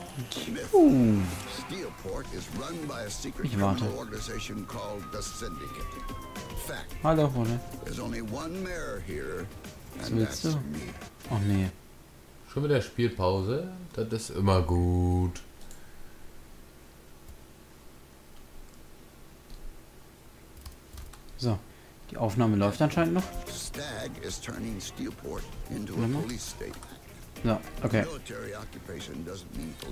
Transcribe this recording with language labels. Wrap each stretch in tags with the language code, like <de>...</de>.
<en>Steelport is run by a secret criminal organization called the Syndicate. Fact.</en> <de>Hallo, Hunde.</de> <en>There's only one mayor here, and that's me.</en> <de>Oh nee. Schon mit der Spielpause? Das ist immer gut. So, die Aufnahme läuft anscheinend noch.</de> <en>Stag is turning Steelport into a police state. So, okay. Military occupation doesn't mean police.</en>